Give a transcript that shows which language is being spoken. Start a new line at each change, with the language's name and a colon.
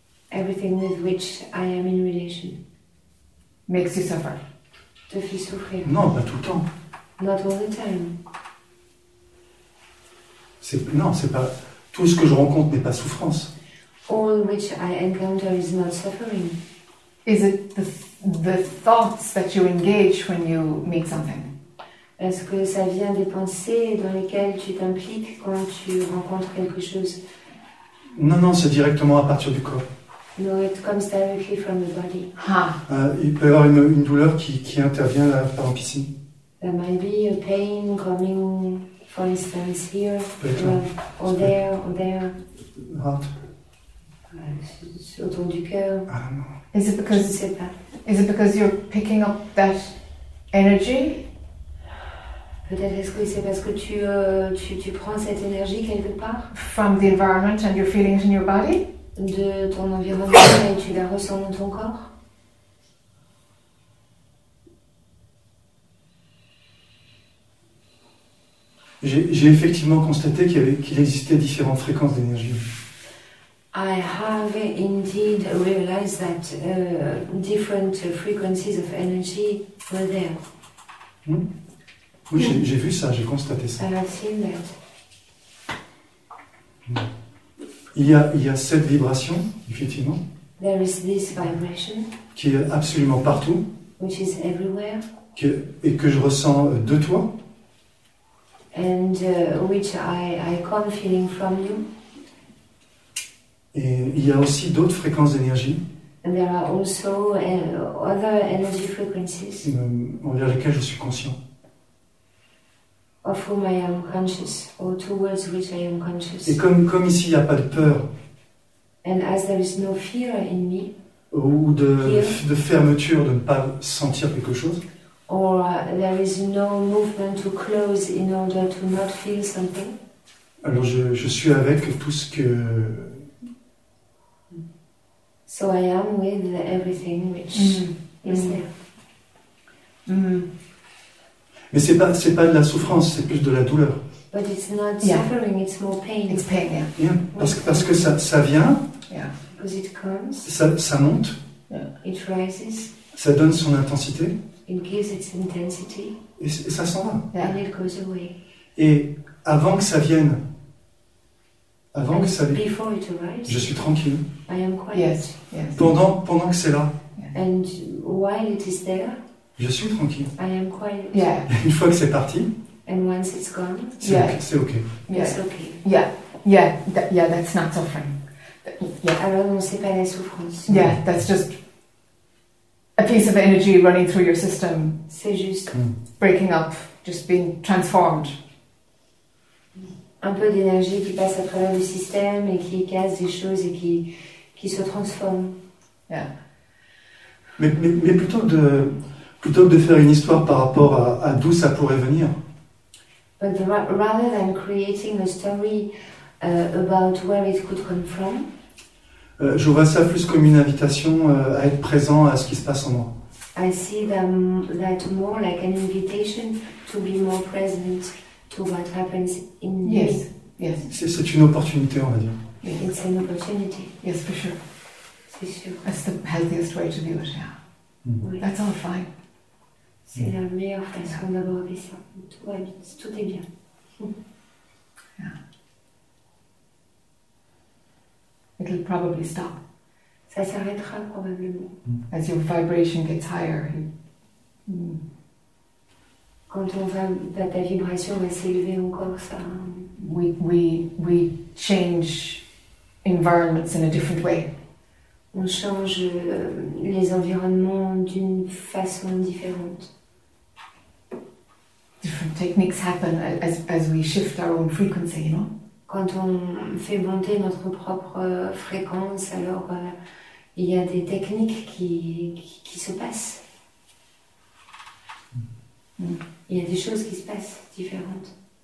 English: Everything with which I am in relation. Makes you suffer.
French: Te fait souffrir. Non, pas tout le temps.
English: Not all the time.
French: C'est pas tout ce que je rencontre n'est pas souffrance.
English: All which I encounter is not suffering. Is it the thoughts that you engage when you meet something?
French: Est-ce que ça vient des pensées dans lesquelles tu t'impliques quand tu rencontres quelque chose? Non, c'est directement à partir du corps.
English: No, it comes directly from the body.
French: Il peut y avoir une douleur qui intervient là, par exemple ici.
English: There might be a pain coming, for instance, here, or there. Heart.
French: Autour du cœur.
English: Is it because,
French: je ne sais pas.
English: Is it because you're picking up that energy?
French: Peut-être est-ce que c'est parce que tu prends cette énergie quelque part?
English: From the environment and you're feeling it in your body?
French: De ton environnement et tu la ressens dans ton corps? J'ai effectivement constaté qu'il existait différentes fréquences d'énergie.
English: I have indeed realized that different frequencies of energy were there.
French: Oui, j'ai vu ça, j'ai constaté ça.
English: I've seen that.
French: Il y a cette vibration, effectivement.
English: There is this vibration.
French: Qui est absolument partout.
English: Which is everywhere.
French: Que je ressens de toi.
English: And which I come feeling from you.
French: Et il y a aussi d'autres fréquences d'énergie.
English: And there are also other energy frequencies.
French: Envers lesquelles je suis conscient.
English: Of whom I am conscious, or towards which I am conscious.
French: Et comme ici, il n'y a pas de peur.
English: And as there is no fear in me.
French: Ou de fermeture, de ne pas sentir quelque chose.
English: Or there is no movement to close in order to not feel something.
French: Alors je suis avec tout ce que.
English: So I am with everything which is there.
French: Mais c'est pas de la souffrance, c'est plus de la douleur.
English: But it's not suffering, it's more pain. It's pain, yeah.
French: Parce que ça vient.
English: Yeah. Because it comes.
French: Ça monte.
English: Yeah. It rises.
French: Ça donne son intensité.
English: It gives its intensity.
French: Et ça s'en va.
English: Yeah. And it goes away.
French: Et avant que ça vienne, avant
English: and
French: que ça vienne,
English: before it arrives,
French: je suis tranquille.
English: I am quiet. Yes.
French: Pendant que c'est là.
English: Yeah. And while it is there.
French: Je suis tranquille.
English: I am quiet. Yeah.
French: Une fois que c'est parti.
English: And once it's gone.
French: C'est okay.
English: Yeah. It's okay. Yeah. Yeah, that's not suffering.
French: Yeah. Alors non, c'est pas la souffrance.
English: Yeah, that's just a piece of energy running through your system.
French: C'est juste
English: breaking up, just being transformed.
French: Un peu d'énergie qui passe à travers le système et qui casse des choses et qui se transforme.
English: Yeah.
French: Mais plutôt de. Plutôt que de faire une histoire par rapport à d'où ça pourrait venir.
English: But rather than creating a story about where it could come from.
French: Je vois ça plus comme une invitation à être présent à ce qui se passe en moi.
English: I see them that more like an invitation to be more present to what happens in me. Yes, yes.
French: C'est une opportunité, on va dire.
English: It's an opportunity. Yes, for sure.
French: C'est sûr.
English: That's the healthiest way to do it, yeah. Mm-hmm. That's all fine.
French: C'est la meilleure façon d'avoir avec ça. Ouais, tout est bien.
English: Yeah. It'll probably stop.
French: Ça s'arrêtera probablement.
English: As your vibration gets higher.
French: Quand on va, ta vibration va s'élever encore, ça.
English: We change environments in a different way.
French: On change les environnements d'une façon différente.
English: Different techniques happen as we shift our own frequency, you know?
French: Quand on fait monter notre propre fréquence, alors il y a des techniques qui se passent. Il y a des choses qui se passent différentes.